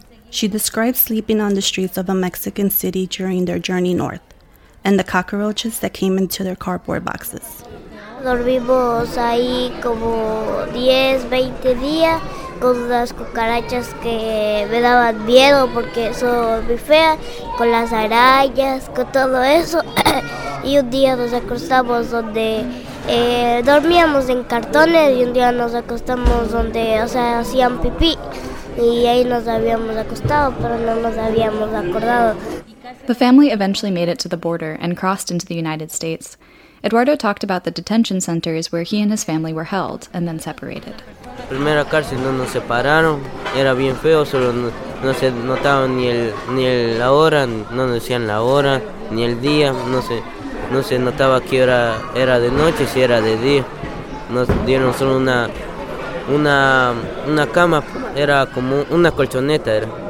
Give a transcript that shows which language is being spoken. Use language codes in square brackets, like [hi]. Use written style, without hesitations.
[en] She described sleeping on the streets of a Mexican city during their journey north, and the cockroaches that came into their cardboard boxes. [es] Dormimos ahí como 10, 20 días con las cucarachas que me daban miedo porque son muy feas, con las arañas, con todo eso. Y un día nos acostamos donde dormíamos en cartones, y un día nos acostamos donde, o sea, hacían pipí. Y ahí nos habíamos acostado, pero no nos habíamos acordado. [en] The family eventually made it to the border and crossed into the United States. Eduardo talked about the detention centers where he and his family were held and then separated. [es] Primera cárcel no nos separaron, era bien feo, solo no se notaba ni el la hora, no nos decían la hora, ni el día, no se notaba qué hora era de noche, si era de día. Nos dieron solo una cama, era como una colchoneta, era.